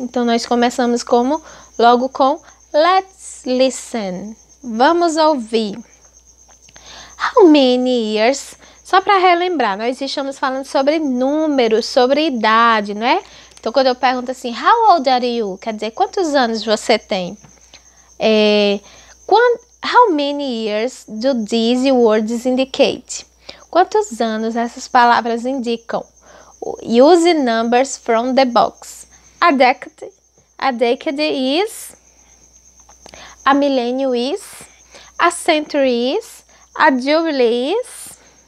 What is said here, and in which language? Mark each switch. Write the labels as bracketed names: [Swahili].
[Portuguese] Então, nós começamos como? Logo com [English] Let's listen! [Portuguese] Vamos ouvir! [English] How many years? [Portuguese] Só para relembrar, nós estamos falando sobre números, sobre idade, não é? Então, quando eu pergunto assim, [English] How old are you? [Portuguese] Quer dizer, quantos anos você tem? [English] How many years do these words indicate? [Portuguese] Quantos anos essas palavras indicam? [English] Use numbers from the box. A decade is. A millennium is. A century is. A jubilee is.